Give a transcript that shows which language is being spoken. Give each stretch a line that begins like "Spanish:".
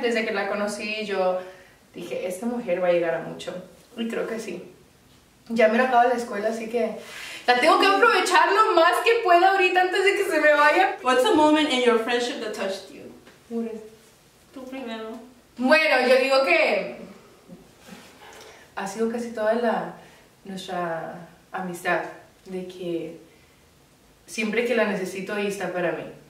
Spanish: Desde que la conocí, yo dije, esta mujer va a llegar a mucho. Y creo que sí. Ya me la acabo de la escuela, así que... La tengo que aprovechar lo más que pueda ahorita antes de que se me vaya.
English: What's a moment in your friendship that touched you? What
Spanish: is? Tú primero. Bueno, yo digo que ha sido casi toda la nuestra amistad de que siempre que la necesito ahí está para mí.